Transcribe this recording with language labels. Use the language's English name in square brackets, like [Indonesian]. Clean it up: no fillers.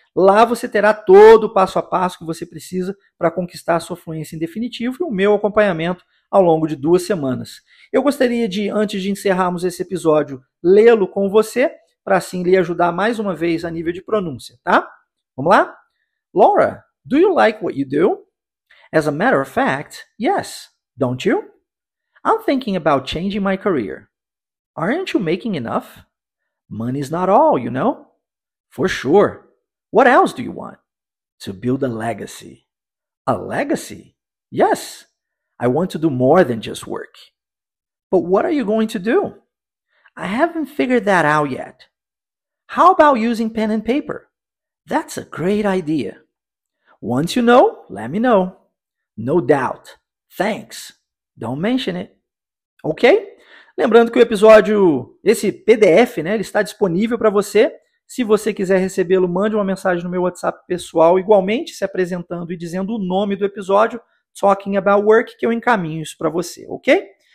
[Portuguese] Lá você terá todo o passo a passo que você precisa para conquistar a sua fluência em definitivo e o meu acompanhamento ao longo de 2 semanas. Eu gostaria de, antes de encerrarmos esse episódio, lê-lo com você, para assim lhe ajudar mais uma vez a nível de pronúncia, tá? Vamos lá? [English] Laura, do you like what you do? As a matter of fact, yes, don't you? I'm thinking about changing my career. Aren't you making enough? Money's not all, you know? For sure. What else do you want? To build a legacy. A legacy? Yes. I want to do more than just work. But what are you going to do? I haven't figured that out yet. How about using pen and paper? That's a great idea. Once you know, let me know. No doubt. Thanks. Don't mention it. Ok? [Portuguese] Lembrando que o episódio, esse PDF, né, ele está disponível para você. Se você quiser recebê-lo, mande uma mensagem no meu WhatsApp pessoal, igualmente se apresentando e dizendo o nome do episódio, Talking About Work, que eu encaminho isso para você, ok?